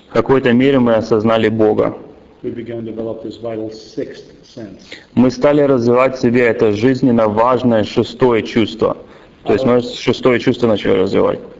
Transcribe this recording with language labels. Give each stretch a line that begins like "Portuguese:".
Russian: В какой-то мере мы осознали Бога.
English: We began to develop this vital sixth sense.
Russian: Мы стали развивать в себе это жизненно важное шестое чувство. То есть мы шестое чувство начали развивать.